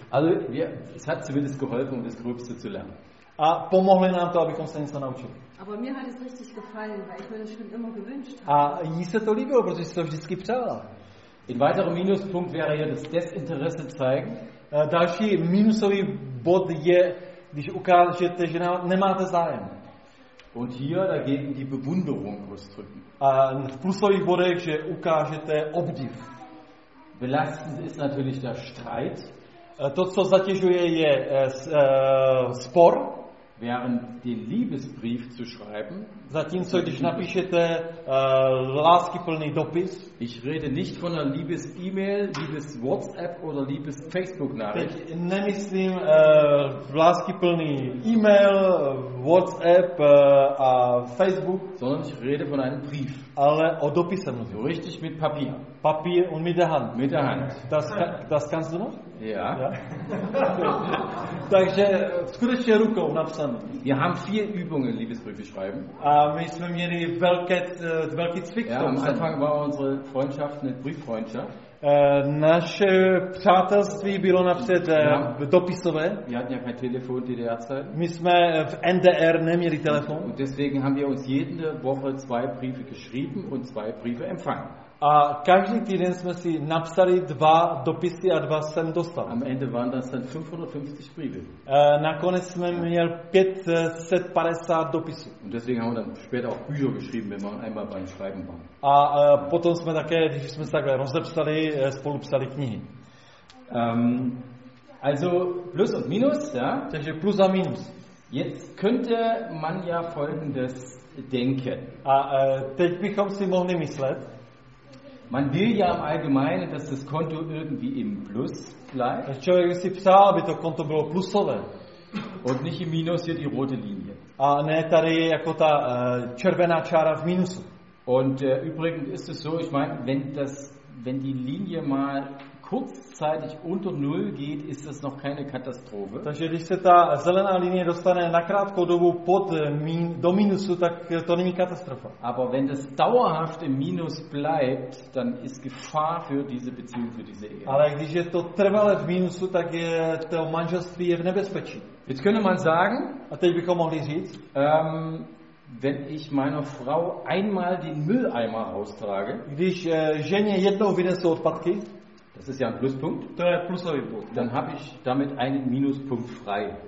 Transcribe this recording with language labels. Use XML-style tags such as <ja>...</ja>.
<de>Also, es hat zumindest geholfen, das Gröbste zu lernen.</de> <cs>A pomohli nám to, abychom se něco naučili.</cs> <de>Aber mir hat es richtig gefallen, weil ich mir das schon immer gewünscht habe.</de> <cs>A jí se to líbilo, protože jsi to vždycky přála.</cs> <de>Ein weiterer Minuspunkt wäre hier das Desinteresse zeigen.</de> <cs>Další minusový bod je, když ukážete, že nemáte zájem.</cs> <de>Und hier dagegen die Bewunderung ausdrücken.</de> <cs>V plusových bodech, že ukážete obdiv.</cs> <de>Belastend ist natürlich der Streit.</de> <cs>To, co zatěžuje, je spor.</cs> <de>Während den Liebesbrief zu schreiben.</de> <cs>Zatímco, když napíšete láskyplný dopis.</cs> <de>Ich rede nicht von einer Liebes-E-Mail, Liebes-WhatsApp oder Liebes-Facebook-Nachricht.</de> <cs>Teď nemyslím láskyplný e-mail, WhatsApp a Facebook.</cs> <de>Sondern ich rede von einem Brief.</de> <cs>Ale o dopise mluvím.</cs> <de>So richtig mit Papier. Papier und mit der Hand. Mit der Hand. Das kannst du noch? Ja.</de> <cs>Takže skutečně rukou napsan.</cs> <de>Wir haben vier Übungen, Liebesbriefe schreiben.</de> <cs>My jsme měli velký cvik.</cs> <de>Ja, am Anfang war unsere Freundschaft eine Brieffreundschaft.</de> <cs>Naše přátelství bylo napřed dopisové.</cs> <de>Wir hatten ja kein Telefon in der Zeit.</de> <cs>My jsme v NDR neměli telefon.</cs> <de>Und deswegen haben wir uns jede Woche zwei Briefe geschrieben und zwei Briefe empfangen.</de> <cs>A každý týden jsme si napsali dva dopisy a dva jsem dostal.</cs> <de>Am Ende waren das 550 Briefe.</de> <cs>Nakonec jsme měl 550 dopisů.</cs> <de>Und deswegen haben wir dann später auch Bücher geschrieben, wenn man einmal beim Schreiben war.</de> <cs>A potom jsme také, když jsme se takhle rozepsali, spolu psali knihy.</cs> <de>Also plus und minus, ja?</de> <cs>Takže plus a minus.</cs> <de>Jetzt könnte man ja folgendes denken.</de> <cs>A teď bychom si mohli myslet.</cs> <de>Man will ja im Allgemeinen, dass das Konto irgendwie im Plus bleibt.</de> <cs>Člověk si přál, aby to konto bylo plusové.</cs> <de>Und nicht im Minus hier die rote Linie.</de> <cs>A ne, tady je jako ta červená čára v minusu.</cs> <de>Und übrigens ist es so, ich meine, wenn die Linie mal kurzzeitig unter 0 geht, ist das noch keine Katastrophe.</de> <cs>Takže když se ta zelená linie dostane na krátkou dobu pod do minusu, tak to není katastrofa.</cs> <de>Aber wenn das dauerhaft im Minus bleibt, dann ist Gefahr für diese Beziehung, für diese Ehe.</de> <cs>Ale když je to trvale v minusu, tak je to manželství je v nebezpečí.</cs> <de>Jetzt könnte man sagen,</de> <cs>a teď bychom mohli říct,</cs> <de>wenn ich meiner Frau einmal den Mülleimer austrage,</de> <cs>když ženě jednou vynesu odpadky,</cs> <de>das ist ja ein Pluspunkt. Dann habe ich damit einen Minuspunkt frei.</de>